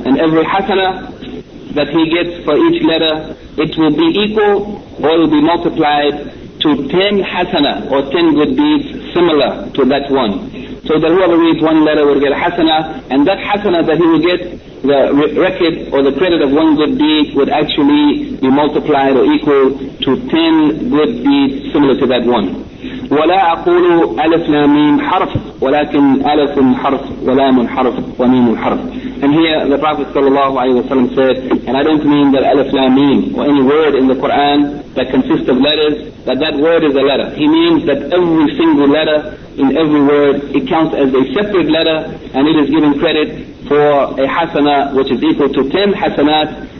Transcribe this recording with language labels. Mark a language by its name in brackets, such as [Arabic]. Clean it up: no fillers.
[English] And every حسنة that he gets for each letter, it will be equal or it will be multiplied to 10 hasana or 10 good deeds similar to that one. So that whoever reads one letter will get a hasana, and that hasana that he will get, the record or the credit of one good deed would actually be multiplied or equal to 10 good deeds similar to that one. [Arabic] ولا أقول ألف لام ميم حرف ولكن ألف حرف ولام حرف وميم حرف. [English] And here the Prophet sallallahu alaihi wasallam said, and I don't mean that [Arabic] ألف لام ميم [English] or any word in the Quran that consists of letters, that word is a letter. He means that every single letter in every word, it counts as a separate letter, and it is given credit for a hasana which is equal to 10 hasanat.